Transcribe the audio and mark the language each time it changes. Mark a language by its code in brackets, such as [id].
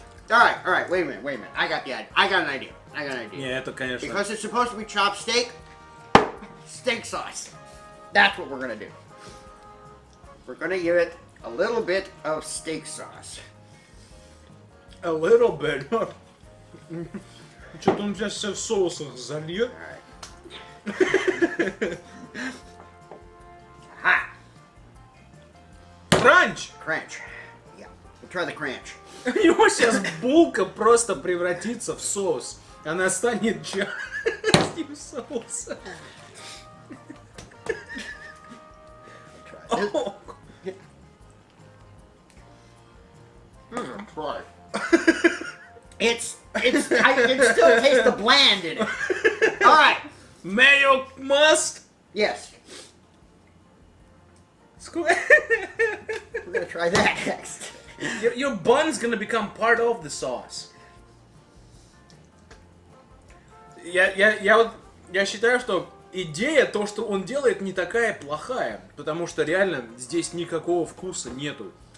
[en] All right, wait a minute. I got an idea. [ru] Yeah, это конечно. [en] Because it's supposed to be chopped steak, steak sauce. That's what we're gonna do. We're gonna give it a little bit of steak sauce. A little bit? [ru] Что-то он сейчас все в соусах зальет. [en] All right. Crunch. Yeah, we'll try the crunch. You know, [ru] сейчас булка просто превратится в соус. Она станет частью соуса. [en] Oh. It's still taste the bland in it. All right. Mayo must. Yes. We're gonna try that next. Your bun's gonna become part of the sauce. [ru] Я считаю, что идея то, что он делает, не такая плохая, потому что реально здесь никакого вкуса нету.